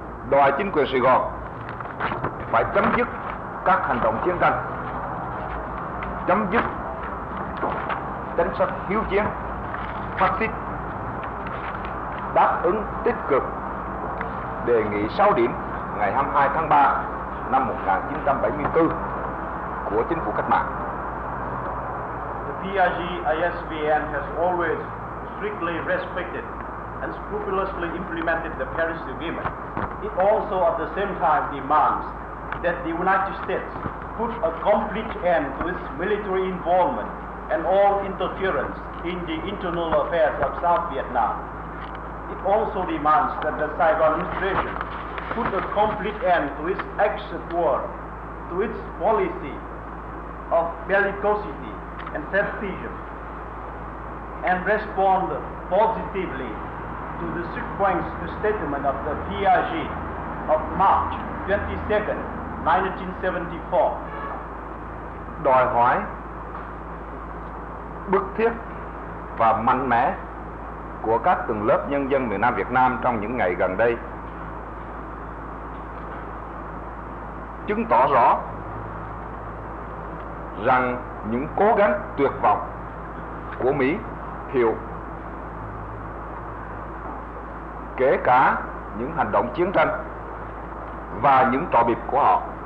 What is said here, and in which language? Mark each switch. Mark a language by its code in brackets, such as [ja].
[vi] đòi chính quyền Sài Gòn phải chấm dứt các hành động chiến tranh, chấm dứt chính sách hiếu chiến, phát xít, đáp ứng tích cực đề nghị 6 điểm ngày 22 tháng 3 năm 1974 của chính phủ cách mạng. [en] The PRG-ISVN has always strictly respected and scrupulously implemented the Paris Agreement. It also at the same time demands that the United States put a complete end to its military involvement and all interference in the internal affairs of South Vietnam. It also demands that the Saigon administration put a complete end to its exit war, to its policy of bellicosity and self-seizure, and respond positively to the sequence statement of the PRG of March 22nd, 1974. [vi] Đòi hỏi bức thiết và mạnh mẽ của các tầng lớp nhân dân miền Nam Việt Nam trong những ngày gần đây chứng tỏ rõ rằng những cố gắng tuyệt vọng của Mỹ Thiệu, kể cả những hành động chiến tranh và những trò bịp của họ